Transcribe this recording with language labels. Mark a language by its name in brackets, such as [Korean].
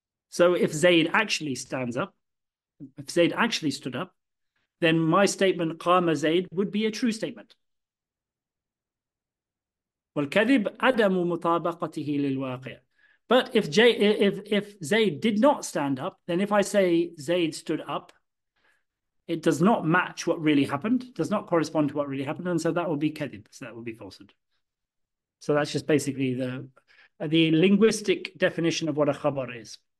[English] So if Zayd actually stands up, if Zayd actually stood up, then my statement Qama Zayd would be a true statement. [Arabic] والكذب عدم مطابقته للواقع. [English] But if Zayd did not stand up, then if I say Zayd stood up, it does not match what really happened, does not correspond to what really happened, and so that will be kadhib, so that will be falsehood. So that's just basically the linguistic definition of what a khabar is.